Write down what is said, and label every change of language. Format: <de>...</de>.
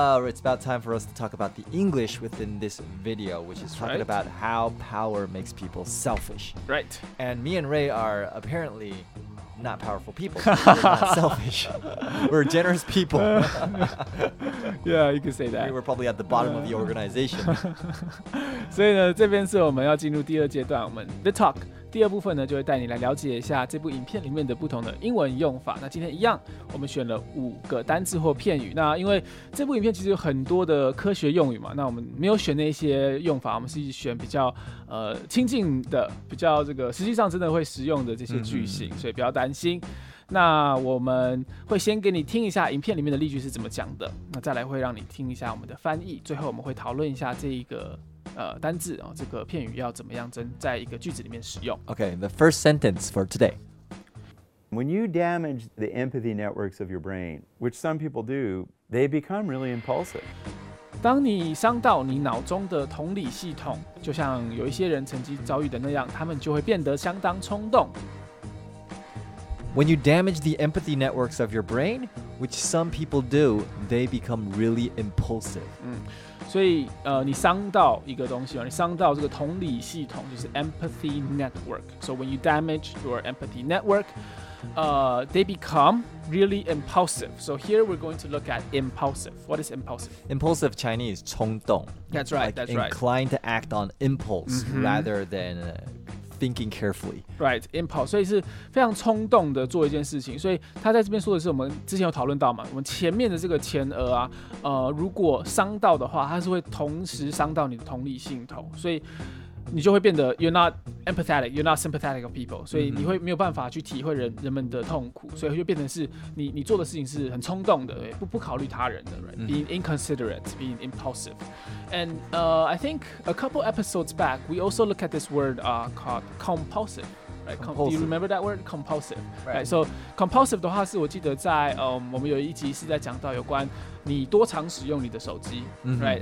<en>It's about time for us to talk about the English within this video, which is talking about how power makes people selfish. Right. And me and Ray are apparently not powerful people. We're not selfish. We're generous people. Yeah, you could say that. We're probably at the bottom of the organization.</en> <zh>所以呢，这边是我们要进入第二阶段，我们 The Talk。第二部分呢，就会带你来了解一下这部影片里面的不同的英文用法。那今天一样，我们选了五个单字或片语。那因为这部影片其实有很多的科学用语嘛，那我们没有选那些用法，我们是选比较亲近的，比较这个实际上真的会使用的这些句型，所以不要担心。那我们会先给你听一下影片里面的例句是怎么讲的，那再来会让你听一下我们的翻译，最后我们会讨论一下这一个。单字哦，这个片语要怎么样真在一个句子里面使用</zh> <en>？Okay, the first sentence for today. When you damage the empathy networks of your brain, which some people do, they become really impulsive.</en> <zh>当你伤到你脑中的同理系统，就像有一些人曾经遭遇的那样，他们就会变得相当冲动。</zh> <en>When you damage the empathy networks of your brain, which some people do, they become really impulsive.</en> <zh>所以你伤到一个东西，你伤到这个同理系统，就是 empathy network.</zh> <en>So when you damage your empathy network, they become really impulsive. So here we're going to look at impulsive. What is impulsive? Impulsive Chinese, 冲动. That's right, like, that's right. Inclined to act on impulse rather than thinking carefully. Right, impulse.</en> <zh>所以是非常冲动的做一件事情。所以他在这边说的是我们之前有讨论到嘛，我们前面的这个前额啊，如果伤到的话，它是会同时伤到你的同理系统。所以你就会变得</zh> <en>you're not empathetic, you're not sympathetic of people.</en> <zh>所以你会没有办法去体会人们的痛苦。所以就变成是你做的事情是很冲动的，不考虑他人的 right?</zh> <en>Being inconsiderate, being impulsive. And I think a couple episodes back, we also look at this word called compulsive. Right? Compulsive. Do you remember that word? Compulsive. Right. Right? So compulsive</en> <zh>的话是我记得在我们有一集是在讲到有关你多常使用你的手机、right?</zh>